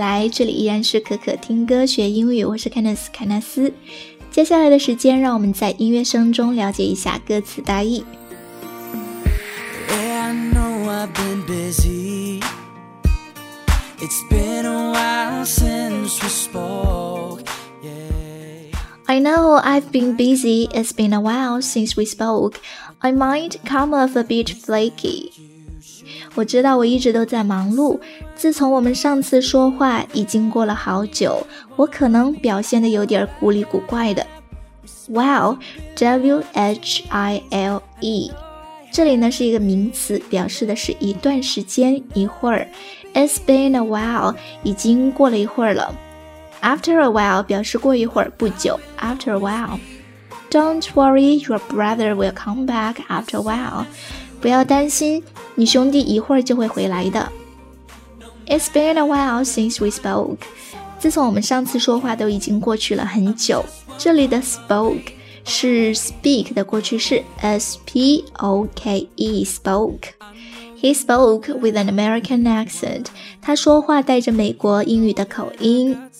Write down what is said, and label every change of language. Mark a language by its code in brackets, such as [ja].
[zh] 这里依然是可可听歌学英语，我是 Candice 凯纳斯。接下来的时间，让我们在音乐声中了解一下歌词大意。 [en] Yeah, I know I've been busy. It's been a while since we spoke. Yeah. I know I've been busy. It's been a while since we spoke. I might come off a bit flaky. [zh] 我知道我一直都在忙碌，自从我们上次说话已经过了好久，我可能表现得有点古里古怪的。 While 这里呢是一个名词，表示的是一段时间一会儿。 [en] It's been a while [zh] 已经过了一会儿了。 [en] After a while [zh] 表示过一会儿不久。 [en] After a whileDon't worry, your brother will come back after a while. [zh] 不要担心，你兄弟一会儿就会回来的。 [en] It's been a while since we spoke. [zh] 自从我们上次说话都已经过去了很久。这里的 spoke 是 speak 的过去式 S-P-O-K-E, spoke. [en] He spoke with an American accent. [zh] 他说话带着美国英语的口音。